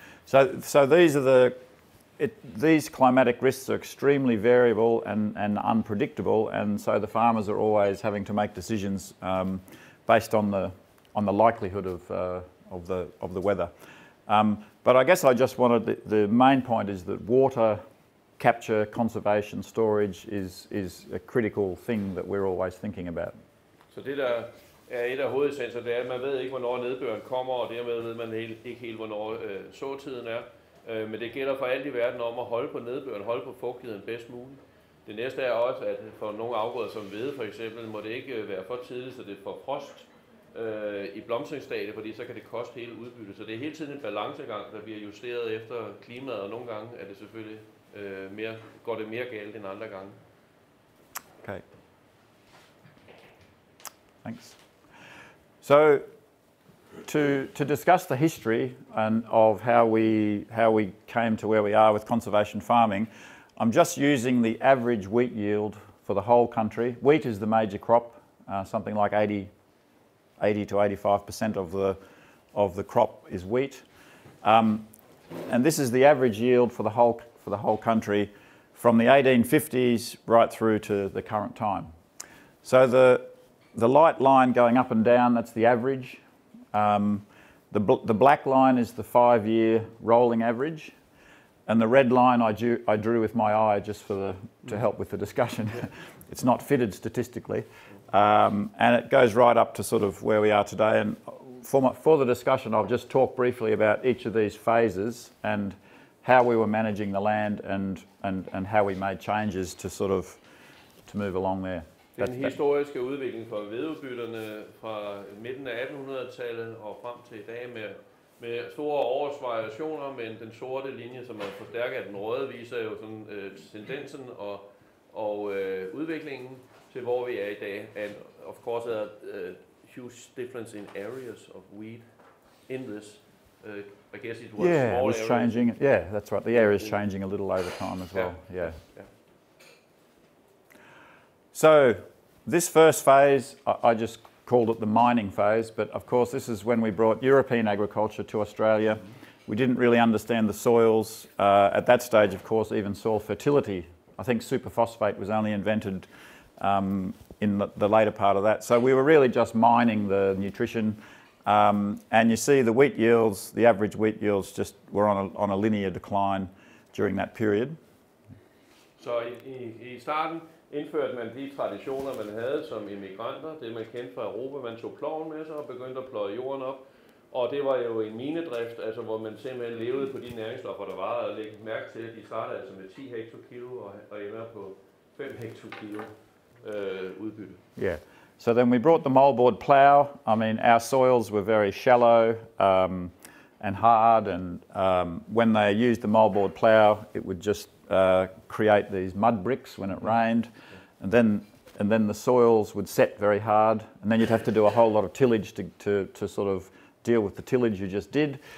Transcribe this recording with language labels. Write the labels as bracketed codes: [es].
[en] So these are these climatic risks are extremely variable and unpredictable, and so the farmers are always having to make decisions based on the likelihood of the weather. But I guess I just wanted, the main point is that water capture, conservation, storage is a critical thing that we're always thinking about. [da] Så det der er et af hovedessenserne, det er, at man ved ikke, hvornår nedbøren kommer, og dermed ved man ikke helt, hvornår såtiden er. Men det gælder for alt i verden om at holde på nedbøren, holde på fugtigheden bedst muligt. Det næste er også, at for nogle afgrøder som hvede for eksempel, må det ikke være for tidligt, så det får frost i blomstringsstadiet, fordi så kan det koste hele udbyttet. Så det er hele tiden en balancegang, der bliver justeret efter klimaet, og nogle gange er det selvfølgelig mere, går det mere galt end andre gange. [en] Okay. Thanks. So to discuss the history and of how we came to where we are with conservation farming, I'm just using the average wheat yield for the whole country. Wheat is the major crop, something like 80 to 85% of the crop is wheat, and this is the average yield for the whole country from the 1850s right through to the current time. So the light line going up and down, that's the average. The black line is the 5-year rolling average. And the red line I drew with my eye just for to help with the discussion. Yeah. It's not fitted statistically. And it goes right up to sort of where we are today. And for the discussion, I'll just talk briefly about each of these phases and how we were managing the land and how we made changes to sort of to move along there. [da] Den historiske udvikling for hvedeudbytterne fra midten af 1800-tallet og frem til i dag med store årsvariationer, men den sorte linje, som er forstærket af den røde, viser jo sådan tendensen og udviklingen til, hvor vi er i dag. [en] And of course, there are huge difference in areas of wheat in this. I guess it was yeah, small it was areas. Changing. Yeah, that's right. The area is changing a little over time as well. Yeah. Yeah. Yeah. So this first phase, I just called it the mining phase, but of course this is when we brought European agriculture to Australia. We didn't really understand the soils. At that stage, of course, even soil fertility. I think superphosphate was only invented in the later part of that. So we were really just mining the nutrition. And you see the wheat yields, the average wheat yields just were on a linear decline during that period. So I started. [da] Indførte man de traditioner, man havde som immigranter, det man kendte fra Europa, man tog ploven med sig og begyndte at pløje jorden op. Og det var jo en minedrift, altså hvor man simpelthen levede på de næringsstoffer, der var, og lægge mærke til, at de startede altså med 10 hektokilo og ender på 5 hektokilo udbytte. [en] Yeah, so then we brought the moldboard plow. I mean, our soils were very shallow and hard, and when they used the moldboard plow, it would just create these mud bricks when it rained, and then the soils would set very hard, and then you'd have to do a whole lot of tillage to sort of deal with the tillage you just did.